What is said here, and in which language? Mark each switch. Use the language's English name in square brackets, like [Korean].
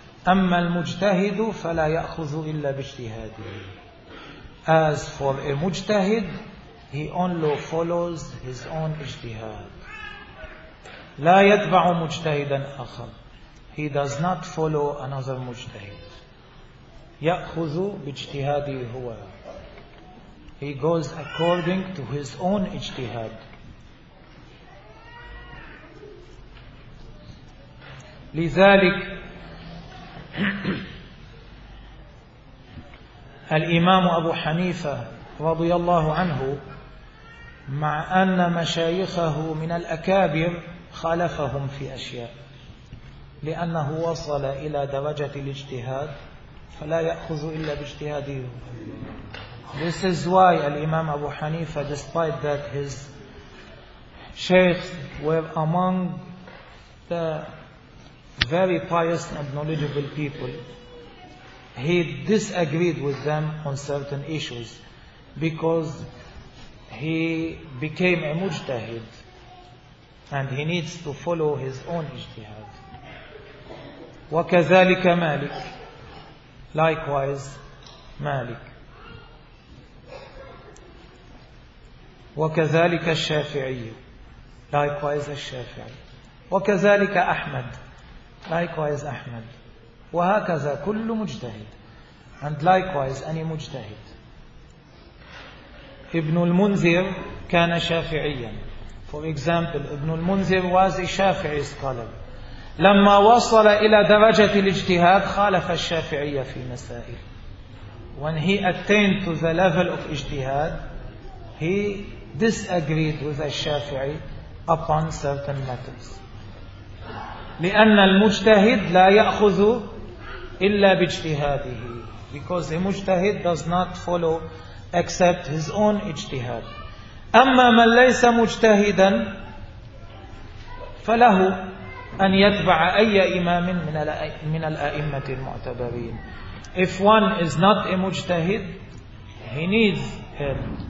[Arabic] أما المجتهد فلا يأخذ إلا باجتهاده. [English] As for a مجتهد, he only follows his own اجتهاد. [Arabic] لا يتبع مجتهدا آخر. [English] He does not follow another مجتهد. [Arabic] يأخذ باجتهاده هو. [English] He goes according to his own اجتهاد. [Arabic] لذلك الإمام أبو حنيفة رضي الله عنه مع أن مشايخه من الأكابر خالفهم في أشياء لأنه وصل إلى درجة الاجتهاد فلا يأخذ إلا باجتهاده. [English] This is why Imam Abu Hanifa, despite that his sheikhs were among the very pious and knowledgeable people, he disagreed with them on certain issues because he became a mujtahid and he needs to follow his own ijtihad. [Arabic] وكذلك مالك. [English] Likewise, مالك. [Arabic] وكذلك الشافعي. [English] Likewise الشافعي. [Arabic] وكذلك أحمد. [English] Likewise أحمد. [Arabic] وهكذا كل مجتهد. [English] And likewise any مجتهد. [Arabic] ابن المنذر كان شافعيا. [English] For example, ابن المنذر was a شافعي scholar. [Arabic] لما وصل إلى درجة الاجتهاد خالف الشافعية في مسائل. [English] When he attained to the level of اجتهاد, he disagreed with الشافعي upon certain matters. [Arabic] لأن المجتهد لا يأخذ إلا باجتهاده. [English] Because the مجتهد does not follow except his own اجتهاد. [Arabic] أما من ليس مجتهدا فله أن يتبع أي إمام من الأئمة المعتبرين. [English] If one is not a مجتهد, he needs him.